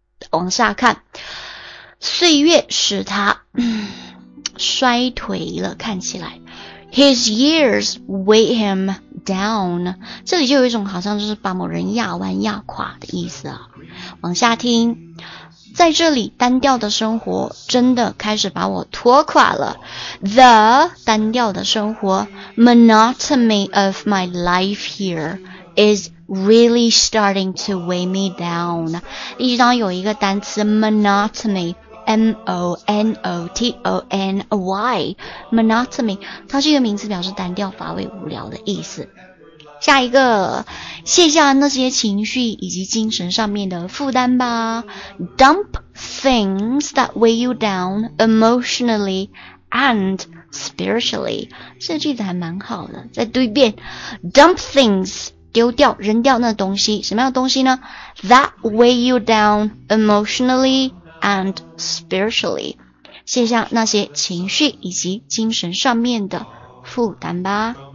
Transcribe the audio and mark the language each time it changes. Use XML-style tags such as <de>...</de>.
<zh>往下看，岁月使他衰颓了，看起来。</zh> <en>His years weigh him down.</en> <zh>这里就有一种好像就是把某人压弯压垮的意思啊。往下听，在这里单调的生活真的开始把我拖垮了。</zh> <en>The</en> <zh>单调的生活</zh> <en>monotony of my life here is really starting to weigh me down.</en> <zh>例句当有一个单词 monotony。M-O-N-O-T-O-N-Y Monotony 它是一个名词，表示单调乏味无聊的意思。下一个，卸下那些情绪以及精神上面的负担吧。</zh> <en>Dump things that weigh you down emotionally and spiritually.</en> <zh>这句子还蛮好的，再读一遍。</zh> <en>Dump things,</en> <zh>丢掉扔掉那东西，什么样的东西呢？</zh> <en>That weigh you down emotionally and spiritually.</en> <zh>卸下那些情绪以及精神上面的负担吧。</zh>